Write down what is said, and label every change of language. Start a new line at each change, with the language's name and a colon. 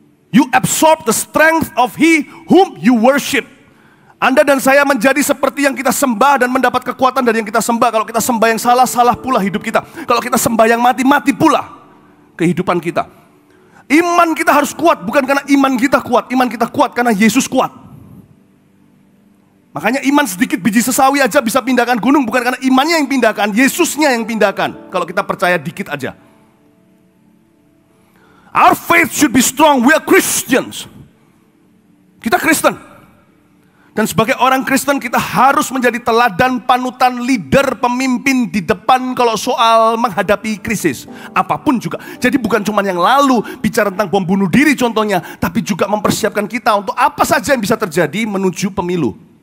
English: You absorb the strength of he whom you worship.
Indonesian: Anda dan saya menjadi seperti yang kita sembah dan mendapat kekuatan dari yang kita sembah. Kalau kita sembah yang salah, salah pula hidup kita. Kalau kita sembah yang mati, mati pula kehidupan kita. Iman kita harus kuat, bukan karena iman kita kuat. Iman kita kuat karena Yesus kuat. Makanya iman sedikit biji sesawi aja bisa pindahkan gunung. Bukan karena imannya yang pindahkan, Yesusnya yang pindahkan. Kalau kita percaya dikit aja.
English: Our faith should be strong, we are Christians.
Indonesian: Kita Kristen. Dan sebagai orang Kristen kita harus menjadi teladan, panutan, leader, pemimpin di depan kalau soal menghadapi krisis. Apapun juga. Jadi bukan cuma yang lalu, bicara tentang bom bunuh diri contohnya. Tapi juga mempersiapkan kita untuk apa saja yang bisa terjadi menuju pemilu.